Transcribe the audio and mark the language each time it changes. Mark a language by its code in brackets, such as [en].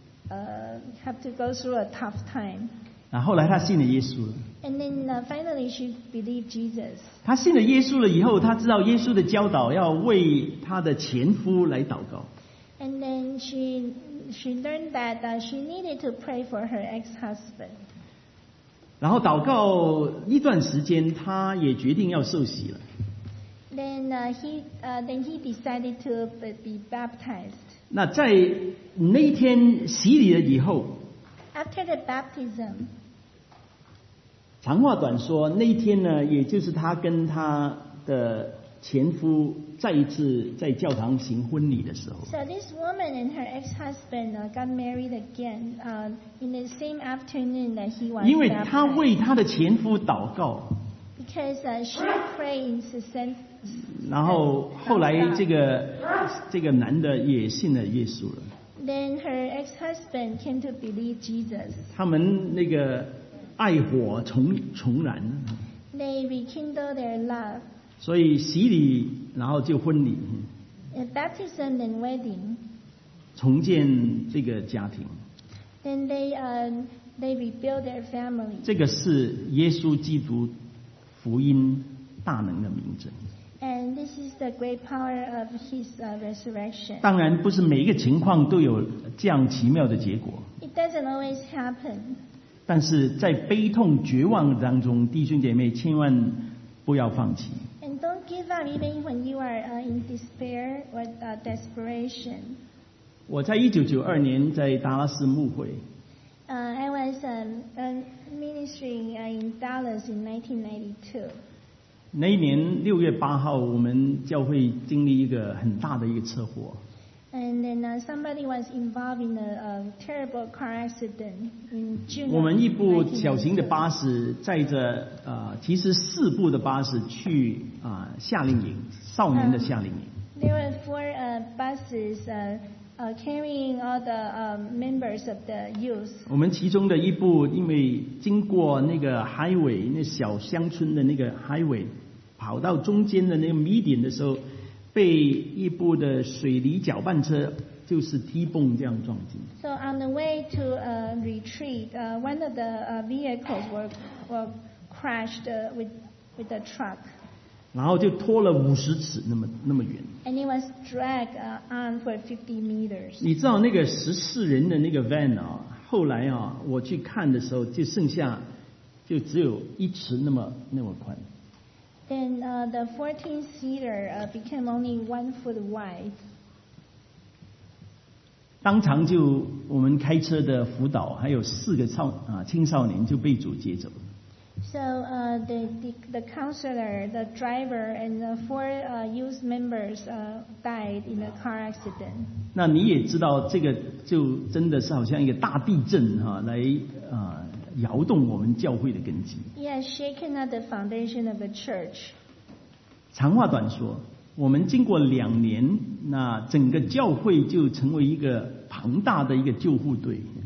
[en] And have to go through a tough time. [zh] 然后来他信了耶稣。 [en] And then finally she believed Jesus. [zh] 他信了耶稣了以后，他知道耶稣的教导要为他的前夫来祷告。 [en] And then she learned that she needed to pray for her ex-husband. [zh] 然后祷告一段时间，他也决定要受洗了。 [en] Then he decided to be baptized. [zh] 那在那一天洗礼了以后 [en] ，After the baptism， [zh] 长话短说，那一天呢，也就是他跟他的前夫再一次在教堂行婚礼的时候。 [en] So this woman and her ex-husband got married again, in the same afternoon that he was. [zh] 因为她为她的前夫祷告。 [en] Because she prayed in succession. [zh] 然后后来这个男的也信了耶稣了。 [en] Then her ex-husband came to believe Jesus. [zh] 他们那个爱火重燃。 [en] They rekindled their love. [zh] 所以洗礼，然后就婚礼。 [en] Baptism and wedding. [zh] 重建这个家庭。 [en] Then they rebuild their family. [zh] 这个是耶稣基督福音大能的明证。 [en] And this is the great power of his resurrection. [zh] 当然，不是每一个情况都有这样奇妙的结果。 [en] It doesn't always happen. [zh] 但是在悲痛绝望当中，弟兄姐妹千万不要放弃。 [en] Give up even when you are in despair or desperation. [zh] 我在1992年在达拉斯牧会。 [en] I was ministering in Dallas in 1992. [zh] 那一年6月8号，我们教会经历一个很大的一个车祸。 [en] And then somebody was involved in a terrible car accident in June. [zh] 我们一部小型的巴士载着其实四部的巴士去夏令营，少年的夏令营。 [en] There were four buses carrying all the members of the youth. [zh] 我们其中的一部因为经过那个 highway， 那小乡村的那个 highway， 跑到中间的那个 median 的时候。被一部的水泥搅拌车就是 T-bone 这样撞进。 [en] So on the way to a retreat, one of the vehicles were crashed with the truck. [zh] 然后就拖了50尺那么远。 [en] And it was dragged on for 50 meters. [zh] 你知道那个14人的那个 van 啊，后来啊，我去看的时候就剩下就只有1尺那么宽。 [en] Then the 14-seater became only 1 foot wide. [zh] 当场就我们开车的辅导还有四个青少年就被主接走了。 [en] So the counselor, the driver, and the four youth members died in a car accident. [zh] 那你也知道，这个就真的是好像一个大地震哈，来摇动我们教会的根基。 [en] Yes, shaken up the foundation of a church. [zh] 长话短说，我们经过两年，那整个教会就成为一个庞大的一个救护队。